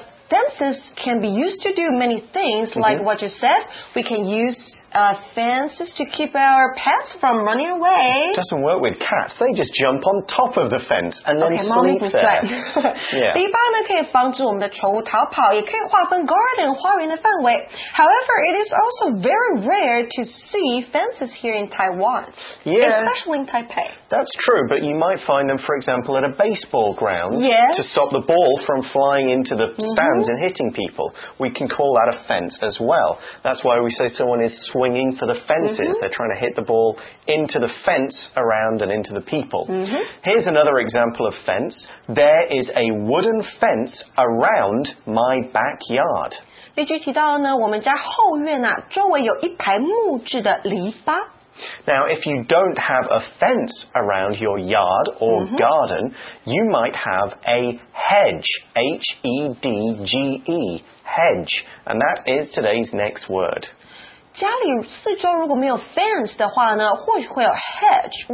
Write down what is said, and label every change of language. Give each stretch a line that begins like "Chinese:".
English: Fences can be used to do many things, like what you said. We can use fences to keep our pets from running away. It doesn't work with cats. They just jump on top of the fence and then okay, sleep there.
Chinese: 篱笆呢可以防止我们的宠物逃跑，也可以划分 garden 花园的范围。
English: However, it is also very rare to see fences here in Taiwan, especially in Taipei. That's true, but you might find them, for example, at a baseball ground to stop the ball from flying into the stands and hitting people. We can call that a fence as well. That's why we say someone is swinging for the fences. Mm-hmm. They're trying to hit the ball into the fence around and into the people. Mm-hmm. Here's another example of fence. There is a wooden fence around my backyard.
Chinese: 例句提到呢，我们家后院啊，周围有一排木质的篱笆。
English: Now, if you don't have a fence around your yard or garden, you might have a hedge, H-E-D-G-E, hedge. And that is today's next word.
Chinese: 家里四周如果没有 fence 的话呢，或许会有 hedge.